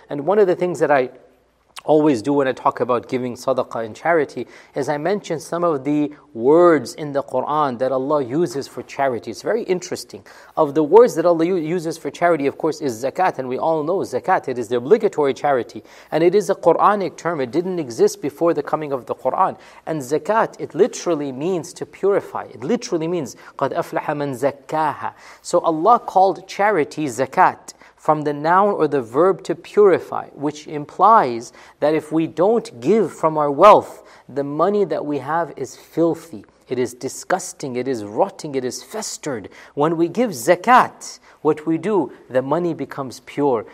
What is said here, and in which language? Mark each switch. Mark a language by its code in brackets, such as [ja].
[en] And one of the things that I always do when I talk about giving sadaqah and charity is I mention some of the words in the Quran that Allah uses for charity. It's very interesting. Of the words that Allah uses for charity, of course, is zakat. And we all know zakat, it is the obligatory charity. And it is a Quranic term. It didn't exist before the coming of the Quran. And zakat, it literally means to purify. It literally means [ar] قَدْ أَفْلَحَ مَنْ زَكَّاهَا. [en] So Allah called charity zakat, from the noun or the verb to purify, which implies that if we don't give from our wealth, the money that we have is filthy. It is disgusting. It is rotting. It is festered. When we give zakat, what we do, the money becomes pure.